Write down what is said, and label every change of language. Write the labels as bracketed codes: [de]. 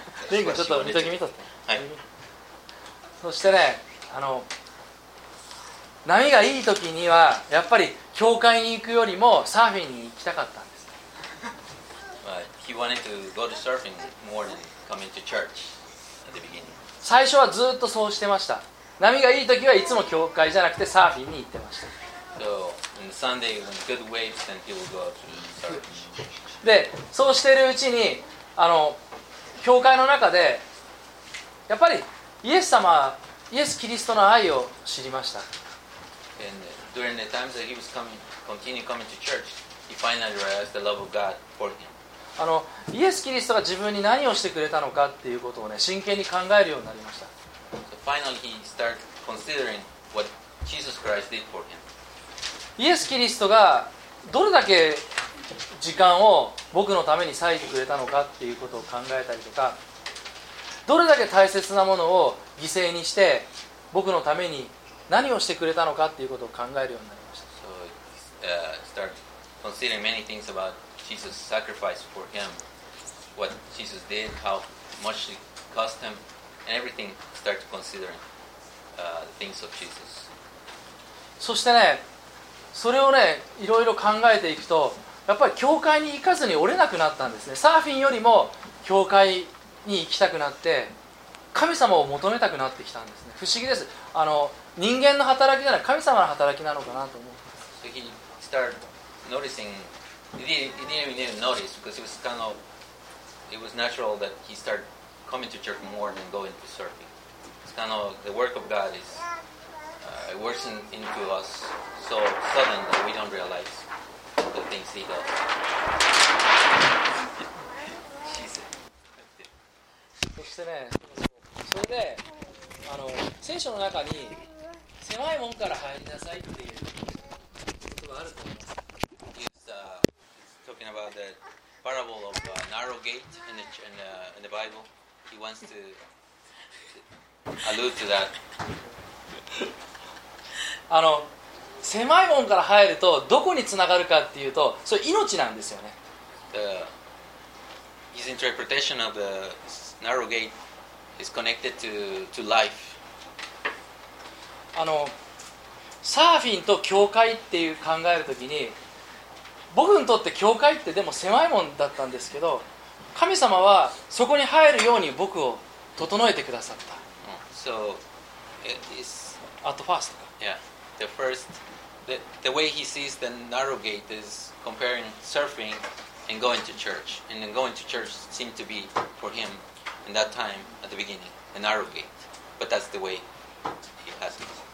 [ja] リンゴちょっと見とき見とって。はい。そしてね、あの波がいい時にはやっぱり教会に行くよりもサーフィンに行きたかったんです。 [en] He wanted to go to surfing more than coming to church at the beginning. [ja] 最初はずっとそうしてました。波がいい時はいつも教会じゃなくてサーフィンに行ってました。 [en] So, on Sunday, when good waves, then he would go to surfing. [ja] で、そうしているうちに、教会の中で、やっぱりイエス様、イエス・キリストの愛を知りました。 [en] And during the times that he was coming, continuing coming to church, he finally realized the love of God for him. [ja] イエス・キリストが自分に何をしてくれたのかっていうことをね、真剣に考えるようになりました。 [en] So、finally, he started considering what Jesus Christ did for him. [ja] イエス・キリストがどれだけ時間を僕のために割いてくれたのかっていうことを考えたりとか、どれだけ大切なものを犠牲にして僕のために何をしてくれたのかっていうことを考えるようになりました。 [en] So, started considering many things aboutJesus sacrificed for him, what Jesus did, how much it cost him, and everything started considering the things of Jesus. [ja] そしてね、それをね、いろいろ考えていくと、やっぱり教会に行かずに折れなくなったんですね。サーフィンよりも教会に行きたくなって、神様を求めたくなってきたんですね。不思議です。人間の働きじゃない、神様の働きなのかなと思って。 [en] So he started noticing. He didn't even notice because it was natural that he started coming to church more than going to surfing. It's kind of the work of God is it works into us so sudden that we don't realize the things he does. She said. [ja] そしてね、それで聖書の中に狭い門から入りなさいっていう言葉があると思います。 [en] Talking about the parable of a narrow gate in the Bible, he wants to allude to that. [ja] 狭い門から入るとどこに繋がるかっていうと、それ命なんですよね。 [en] His interpretation of the narrow gate is connected to life. [ja] サーフィンと教会っていう考えるときに。僕にとって教会ってでも狭いもんだったんですけど、神様はそこに入るように僕を整えてくださった。 [en] So, it's at first. Yeah, the first, the way he sees the narrow gate is comparing surfing and going to church, and then going to church seemed to be for him in that time at the beginning a narrow gate, but that's the way he has it.